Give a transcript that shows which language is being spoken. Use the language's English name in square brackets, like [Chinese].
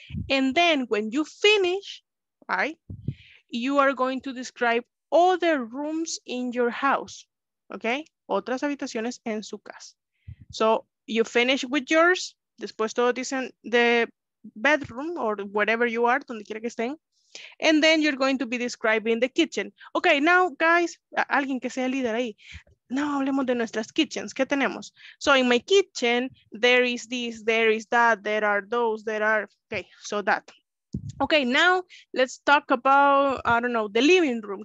[English] And then when you finish, right, you are going to describe other rooms in your house. Okay? [Spanish] Otras habitaciones en su casa. [English] So you finish with yours. [Spanish] Después todos dicen [English] the bedroom or wherever you are, [Spanish] donde quiera que estén. [English] And then you're going to be describing the kitchen. Okay, now guys, [Spanish] alguien que sea líder ahí. Now hablemos de nuestras kitchens. ¿Qué tenemos? [English] So in my kitchen, there is this, there is that, there are those, there are, okay, so that. Okay, now let's talk about, I don't know, the living room.